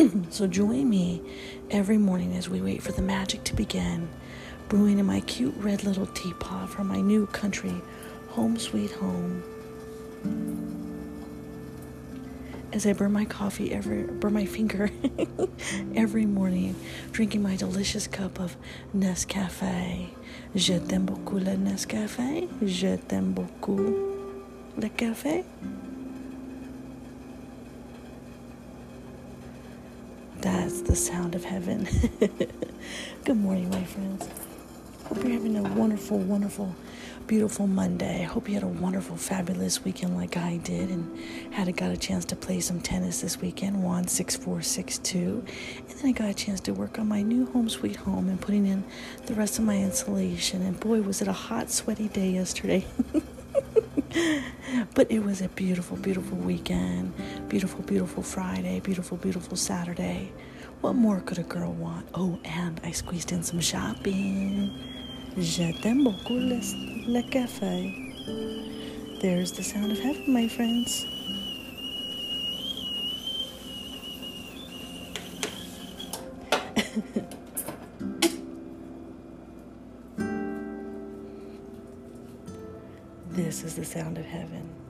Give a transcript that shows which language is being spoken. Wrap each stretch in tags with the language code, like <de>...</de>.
<en>So join me every morning as we wait for the magic to begin, brewing in my cute red little teapot from my new country, home sweet home. As I burn my coffee, every morning, drinking my delicious cup of Nescafe.</en> <fr>Je t'aime beaucoup le Nescafe. Je t'aime beaucoup le café.</fr> <en>That's the sound of heaven. Good morning, my friends. Hope you're having a wonderful, wonderful, beautiful Monday. I hope you had a wonderful, fabulous weekend like I did and got a chance to play some tennis this weekend, won 6-4, 6-2. And then I got a chance to work on my new home sweet home and putting in the rest of my insulation. And boy, was it a hot, sweaty day yesterday. But it was a beautiful, beautiful weekend. Beautiful, beautiful Friday. Beautiful, beautiful Saturday. What more could a girl want? Oh, and I squeezed in some shopping.</en> <fr>Je t'aime beaucoup le café.</fr> <en>There's the sound of heaven, my friends. This is the sound of heaven.</en>